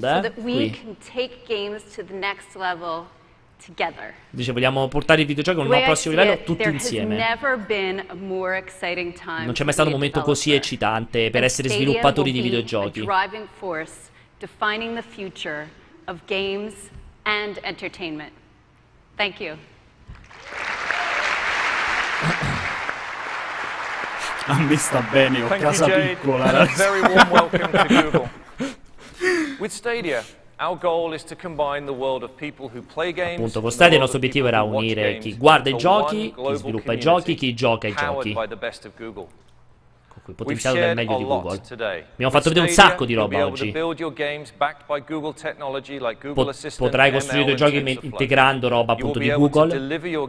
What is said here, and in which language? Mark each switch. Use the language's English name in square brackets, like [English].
[English] so that we can take games to the next level together. [Italian] Dice, vogliamo portare i videogiochi a un nuovo prossimo livello tutti insieme. [English] Never been a more exciting time. [Italian] Non c'è mai stato un momento così eccitante per essere sviluppatori di videogiochi. [English] A driving force defining the future of games and entertainment. Thank you. [Italian] A me sta bene, ho casa piccola. [English] A very warm welcome to Google. With Stadia, our goal is to combine the world of people who play games. [Italian] Appunto, con Stadia il nostro obiettivo era unire chi guarda i giochi, chi sviluppa i giochi, chi gioca i giochi. Con cui potenziale del meglio di Google. Abbiamo fatto vedere un sacco di roba oggi. Potrai costruire i tuoi giochi integrando roba appunto di Google.